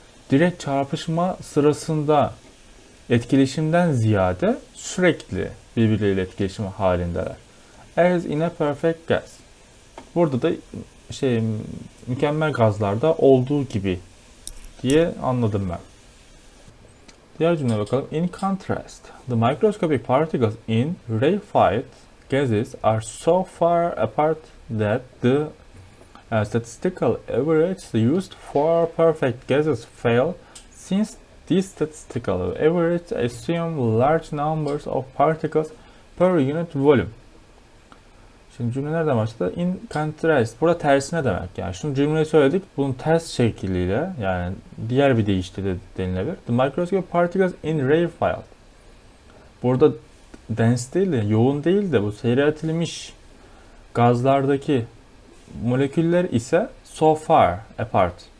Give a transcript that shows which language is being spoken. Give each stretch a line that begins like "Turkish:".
Turkish: Direkt çarpışma sırasında etkileşimden ziyade sürekli birbirleriyle etkileşim halindeler.
English: As in a perfect gas.
Turkish: Burada da şey mükemmel gazlarda olduğu gibi diye anladım ben. Diğer cümle bakalım.
English: In contrast, the microscopic particles in rarefied gases are so far apart that the statistical averages used for perfect gases fail, since these statistical averages assume large numbers of particles per unit volume.
Turkish: Şimdi cümle nereden başladı? In contrast, burada tersine demek. Yani şunu cümleyi söyledik, bunun ters şekliyle, yani diğer bir deyişle de denilebilir.
English: The microscopic particles in rarefied.
Turkish: Burada dense değil de, yoğun değil de, bu seyreltilmiş gazlardaki moleküller ise
English: so far apart.